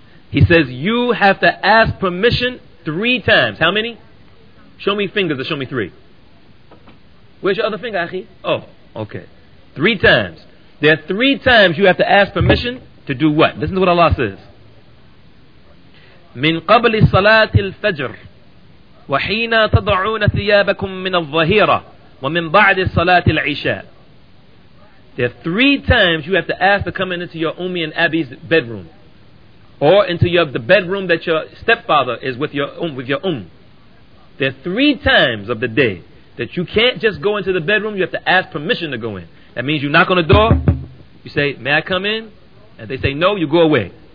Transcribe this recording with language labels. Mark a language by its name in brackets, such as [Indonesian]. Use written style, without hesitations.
[English] He says, you have to ask permission 3 times. How many? Show me fingers or show me 3. Where's your other finger, Akhi? Oh, okay. 3 times. There are 3 times you have to ask permission to do what? Listen to what Allah says. [Arabic] من قبل صلاة الفجر وحين تضعون ثيابكم من الظهيرة ومن بعد صلاة العشاء. [English] There are 3 times you have to ask to come into your Ummi and Abi's bedroom, or into your, the bedroom that your stepfather is with your Umm. There are 3 times of the day that you can't just go into the bedroom. You have to ask permission to go in. That means you knock on the door, you say, may I come in? And they say no, you go away.